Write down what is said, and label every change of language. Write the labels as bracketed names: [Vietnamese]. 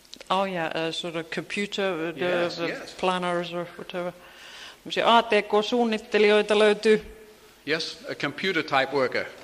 [English] Oh yeah, sort of computer planners or whatever. [Finnish] Tämmöisiä ATK-suunnittelijoita löytyy. [English] Yes, a computer type worker.